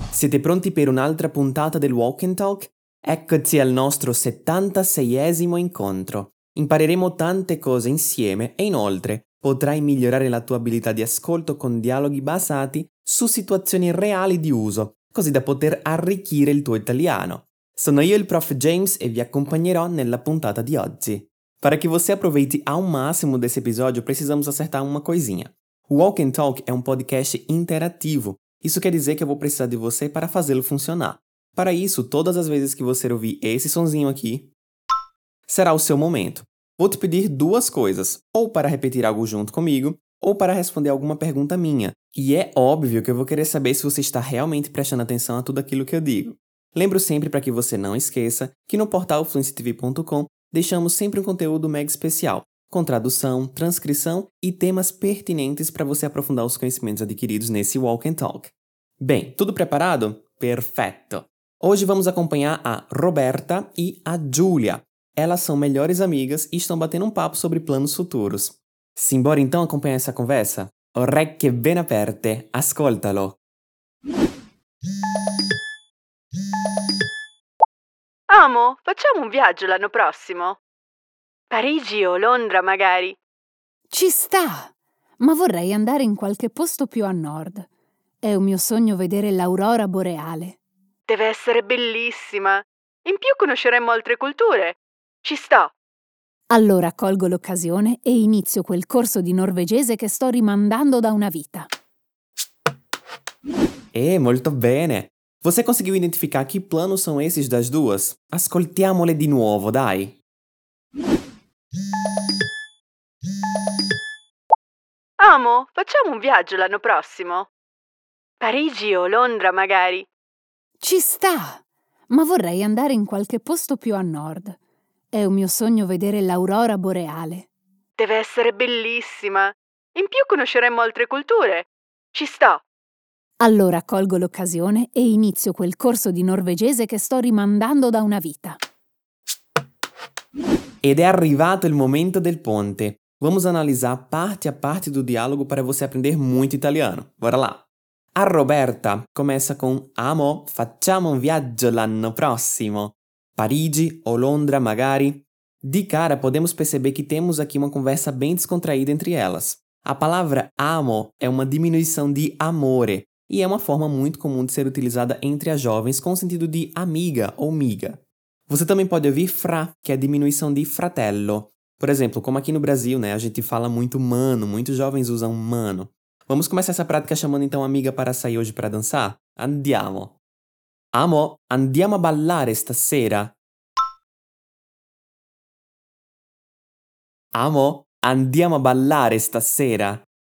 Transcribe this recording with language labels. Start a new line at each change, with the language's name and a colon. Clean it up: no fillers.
Italian: Siete pronti per un'altra puntata del Walk and Talk? Eccoci al nostro 76esimo incontro. Impareremo tante cose insieme e inoltre potrai migliorare la tua abilità di ascolto con dialoghi basati su situazioni reali di uso, così da poter arricchire il tuo italiano. Sono io il Prof. James e vi accompagnerò nella puntata di oggi.
Portuguese: Para que você aproveite ao máximo desse episódio, precisamos acertar uma coisinha. O Walk and Talk é um podcast interativo. Isso quer dizer que eu vou precisar de você para fazê-lo funcionar. Para isso, todas as vezes que você ouvir esse sonzinho aqui, será o seu momento. Vou te pedir duas coisas, ou para repetir algo junto comigo, ou para responder alguma pergunta minha. E é óbvio que eu vou querer saber se você está realmente prestando atenção a tudo aquilo que eu digo. Lembro sempre, para que você não esqueça, que no portal fluencytv.com deixamos sempre um conteúdo mega especial, com tradução, transcrição e temas pertinentes para você aprofundar os conhecimentos adquiridos nesse Walk and Talk. Bem, tudo preparado? Perfeito! Hoje vamos acompanhar a Roberta e a Julia. Elas são melhores amigas e estão batendo um papo sobre planos futuros. Simbora então acompanhar essa conversa?
Italian: Orecchie ben aperte, ascoltalo! Amo, facciamo un viaggio l'anno prossimo. Parigi o Londra, magari. Ci sta, ma vorrei andare in qualche posto più a nord. È un mio sogno vedere l'aurora boreale. Deve essere bellissima. In più conosceremo altre culture. Ci sta. Allora colgo l'occasione e inizio quel corso di norvegese che sto rimandando da una vita. Molto bene.
Portuguese: Você conseguiu identificar que planos são esses das duas?
Italian: Ascoltiamole di nuovo, dai! Amo, facciamo un viaggio l'anno prossimo. Parigi o Londra, magari. Ci sta, ma vorrei andare in qualche posto più a nord. È un mio sogno vedere l'aurora boreale. Deve essere bellissima. In più conosceremo altre culture. Ci sta. Allora colgo l'occasione e inizio quel corso di norvegese che sto rimandando da una vita. Ed è arrivato il momento del ponte.
Portuguese: Vamos analizar parte a parte do diálogo para você aprender muito italiano. Bora lá! A Roberta começa com
Italian: Amo, facciamo un viaggio l'anno prossimo.
Portuguese: Parigi o Londra, magari. De cara, podemos perceber que temos aqui uma conversa bem descontraída entre elas. A palavra amo é uma diminuição de amore. E é uma forma muito comum de ser utilizada entre as jovens com o sentido de amiga ou miga. Você também pode ouvir fra, que é a diminuição de fratello. Por exemplo, como aqui no Brasil, né, a gente fala muito mano, muitos jovens usam mano. Vamos começar essa prática chamando então amiga para sair hoje para dançar?
Italian: Andiamo! Amo, andiamo a ballare stasera! Amo, andiamo a ballare stasera!